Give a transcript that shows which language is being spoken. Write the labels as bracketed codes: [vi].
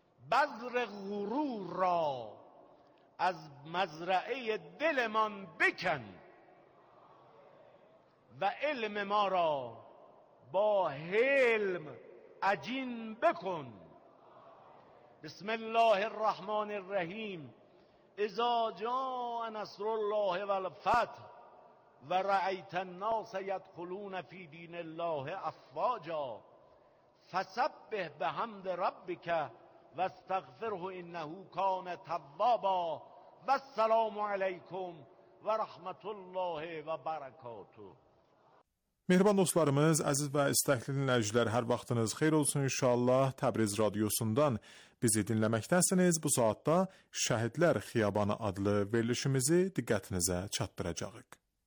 [fa] بذر غرور را از مزرعه دلمان بکن و علم ما را با حلم عجین بکن. [ar] بسم الله الرحمن الرحیم. اذا جاء نصر الله والفتح و رأیت الناس يدخلون في دين الله افواجا فسبح بحمد ربك واستغفره انه كان توابا والسلام عليكم ve rahmetullahi ve berekatuhu. [az] Mehriban dostlarımız, aziz və istəkli dinləyicilər, hər vaxtınız xeyr olsun inşallah Təbriz Radiosundan bizi dinləməkdəsiniz. Bu saatda Şəhidlər Xiyabanı adlı verilişimizi diqqətinizə çatdıracağıq.